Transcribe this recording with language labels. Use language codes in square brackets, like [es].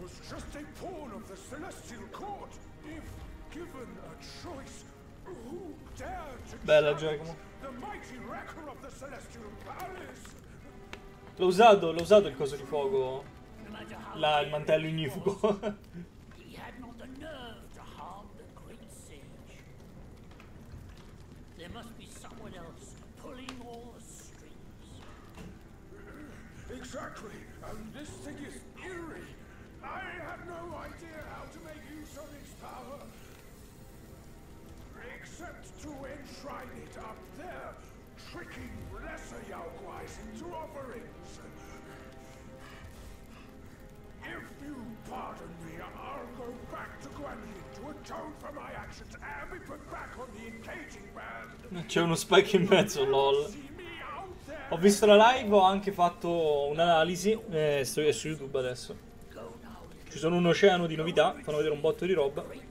[en] Just a pawn of the Celestial Court, if given a choice, who dared to challenge the mighty wrecker of the Celestial Palace? [it] L'ho usato il coso di fuoco, là, il mantello ignifugo. [en] He had not the nerve to harm the great sage. There must be someone else pulling all the strings. Exactly, and this thing is eerie. I have no idea how to make use of its power, except to enshrine it up there, tricking lesser Yaoguais into offerings. If you pardon me, I'll go back to Guanyin to atone for my actions and be put back on the engaging band. [it] C'è uno spike in mezzo, lol. Ho visto la live, ho anche fatto un'analisi, sto su YouTube adesso. Ci sono un oceano di novità, fanno vedere un botto di roba.